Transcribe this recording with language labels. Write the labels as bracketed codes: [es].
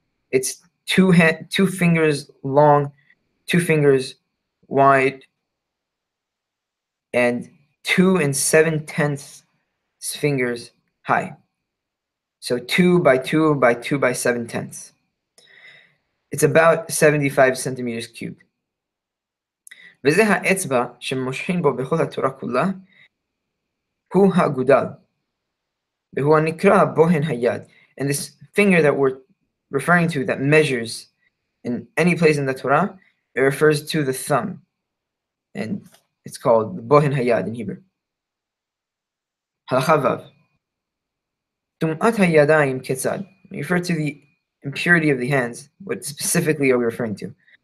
[en] It's two fingers long, two fingers wide, and 2 7/10 fingers high. So 2 by 2 by 2 by 7/10. It's about 75 centimeters cubed. [he] וזה האצבע שמושכים בו בכל התורה כולה, הוא הגודל, והוא הנקרא בוהן היד. [en] And this finger that we're referring to that measures in any place in the Torah, it refers to the thumb. And it's called בוהן היד in Hebrew. [he] הלכה וב. טומאת הידיים כיצד. [en] We refer to the impurity of the hands, what specifically are we referring to?